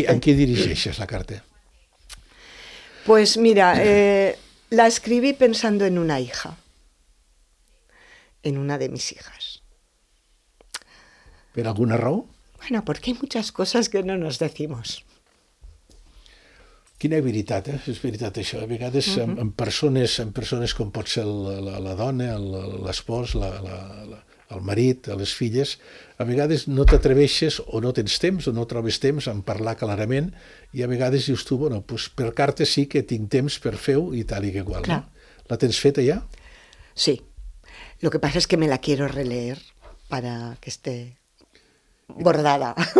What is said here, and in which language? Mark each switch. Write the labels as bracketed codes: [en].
[ca] ¿Y a qui dirigeixes la carta? [es] Pues mira, la escribí pensando en una hija, en una de mis hijas. [ca] ¿Per alguna raó? [es] Bueno, porque hay muchas cosas que no nos decimos. [ca] Quina veritat, és veritat això. A vegades amb persones com pot ser la dona, l'espòs, el marit, les filles, a vegades no t'atreveixes o no tens temps o no trobes temps en parlar clarament i a vegades dius tu, bueno, pues per carta sí que tinc temps per fer-ho i tal i que igual. Clar. No? La tens feta ja? Sí. [es] Lo que pasa es que me la quiero releer para que esté bordada.